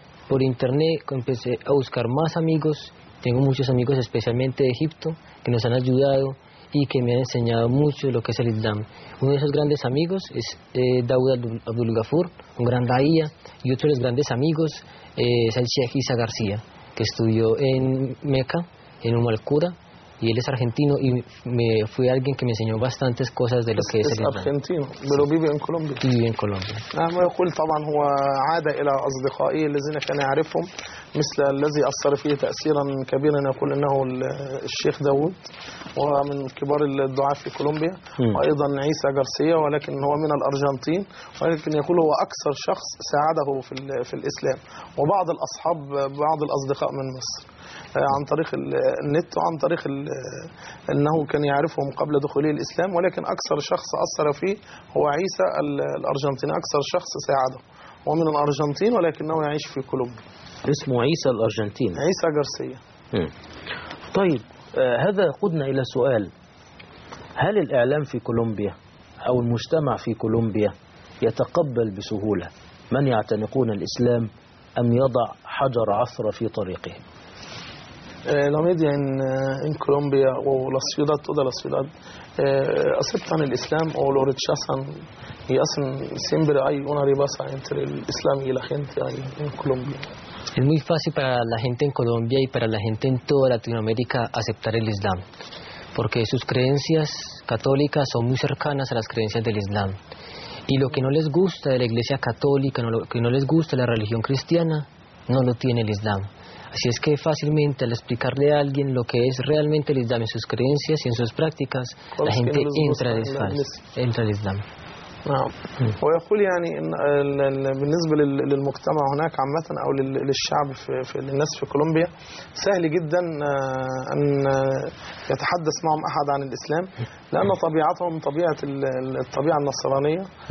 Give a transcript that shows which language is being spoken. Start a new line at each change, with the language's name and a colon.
Spanish: Por internet empecé a buscar más amigos tengo muchos amigos especialmente de Egipto que nos han ayudado y que me han enseñado mucho lo que es el Islam uno de esos grandes amigos es Daud Abdul Ghafur un gran daía y otro de los grandes amigos es el Sheikh Isa García que estudió en Meca en Umm al-Qura y él es argentino y me fui alguien que me enseñó bastantes cosas de lo que es el argentino pero vive en Colombia vive en Colombia
Arabic: ah me يقول طبعا هو عاد الى اصدقائي الذين كان يعرفهم مثل الذي اثر فيه تاثيرا كبيرا يقول انه الشيخ داود وهو من كبار الدعاة في كولومبيا وايضا عيسى غارسيا ولكن هو من الارجنتين ولكن يقول هو اكثر شخص ساعده في الاسلام وبعض الاصحاب بعض الاصدقاء من مصر عن طريق النت وعن طريق أنه كان يعرفهم قبل دخوله الإسلام ولكن أكثر شخص أثر فيه هو عيسى الأرجنتيني أكثر شخص ساعده ومن الأرجنتين ولكنه يعيش في كولومبيا اسمه عيسى الأرجنتيني عيسى غارسيا طيب هذا قدنا إلى سؤال هل الإعلام في كولومبيا أو المجتمع في كولومبيا يتقبل بسهولة من يعتنقون الإسلام أم يضع حجر عثرة في طريقهم
Spanish: La media en Colombia o la ciudad, toda la ciudad, aceptan el Islam o lo rechazan y hacen siempre hay una rebasa entre el Islam y la gente ahí en Colombia. Es muy fácil para la gente en Colombia y para la gente en toda Latinoamérica aceptar el Islam, porque sus creencias católicas son muy cercanas a las creencias del Islam. Y lo que no les gusta de la iglesia católica, lo que no les gusta de la religión cristiana, no lo tiene el Islam. Así es que fácilmente al explicarle a alguien lo que es realmente el Islam en sus creencias y en sus prácticas, la gente entra de falso, entra al Islam.
Arabic: ويقول يعني ان بالنسبة للمجتمع هناك عامة او للشعب في الناس في كولومبيا سهل جدا ان يتحدث معهم احد عن الاسلام لان طبيعتهم طبيعة الطبيعة النصرانية